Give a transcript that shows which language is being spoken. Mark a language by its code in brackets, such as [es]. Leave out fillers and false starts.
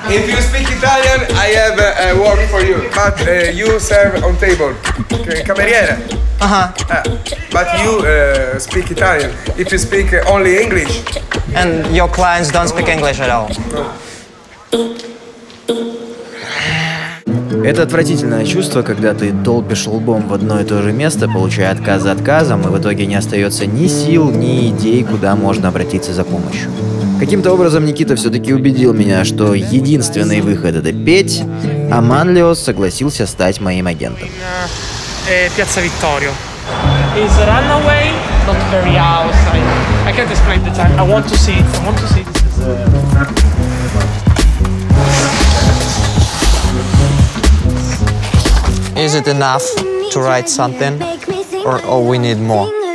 [en] If you speak Italian, I have a work for you. But you serve on table. Cameriera. But you speak Italian. If you speak only English. And your clients don't speak English at all. [ru] Это отвратительное чувство, когда ты долбишь лбом в одно и то же место, получая отказ за отказом, и в итоге не остается ни сил, ни идей, куда можно обратиться за помощью. Каким-то образом Никита все-таки убедил меня, что единственный выход – это петь, а Манлио согласился стать моим агентом. [it] Piazza Vittorio. [en] It's a runaway, not very outside. I can't explain the time. I want to see it. Is it enough to write something? Or we need more?